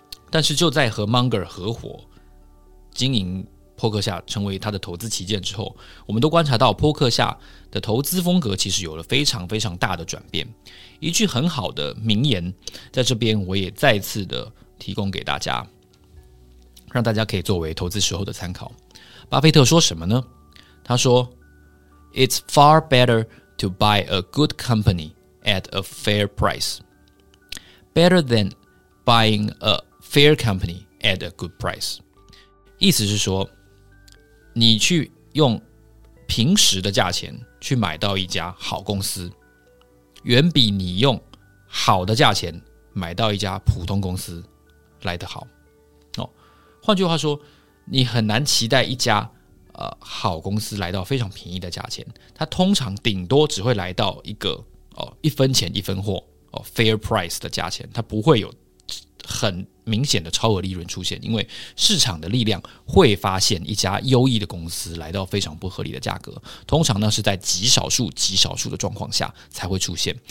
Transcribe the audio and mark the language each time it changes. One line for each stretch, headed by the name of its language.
Chinese: 但是就在和 Munger 合伙经营波克夏成为他的投资旗舰之后，我们都观察到波克夏的投资风格其实有了非常非常大的转变。一句很好的名言在这边我也再次的提供给大家，让大家可以作为投资时候的参考。巴菲特说什么呢？他说
English: It's far better to buy a good company at a fair price, better than buying a fair company at a good price。
Chinese: 意思是说，你去用平时的价钱去买到一家好公司，远比你用好的价钱买到一家普通公司来得好。哦，换句话说，你很难期待一家好公司来到非常便宜的价钱，它通常顶多只会来到一个一分钱一分货fair price 的价钱，它不会有很明显的超额利润出现，因为市场的力量会发现一家优异的公司来到非常不合理的价格，通常呢是在极少数极少数的状况下才会出现。